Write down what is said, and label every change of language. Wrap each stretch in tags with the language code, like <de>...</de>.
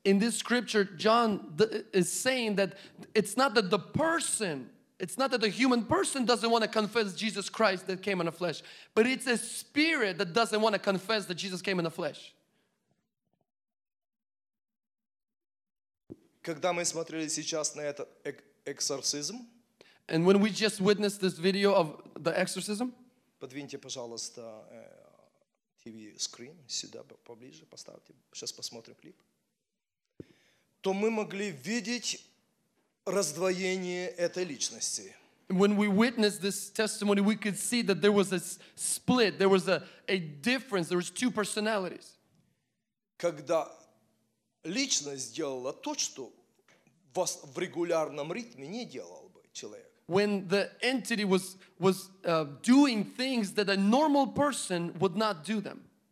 <en>In this scripture, John is saying that it's not that the person, it's not that the human person doesn't want to confess Jesus Christ that came in the flesh, but it's a spirit that doesn't want to confess that Jesus came in the flesh.</en> <ru>Когда мы смотрели сейчас на этот экзорцизм,</ru> <en>and when we just witnessed this video of the exorcism,</en> <ru>подвиньте, пожалуйста, TV screen сюда поближе поставьте. Сейчас посмотрим клип. То мы могли видеть раздвоение этой личности.</ru> <en>When we witnessed this testimony, we could see that there was a split, there was a difference, there was two personalities.</en> <ru>Когда личность делала то, что в регулярном ритме не делал бы человек.</ru> <en>when the entity was doing things that a normal person would not do them.</en>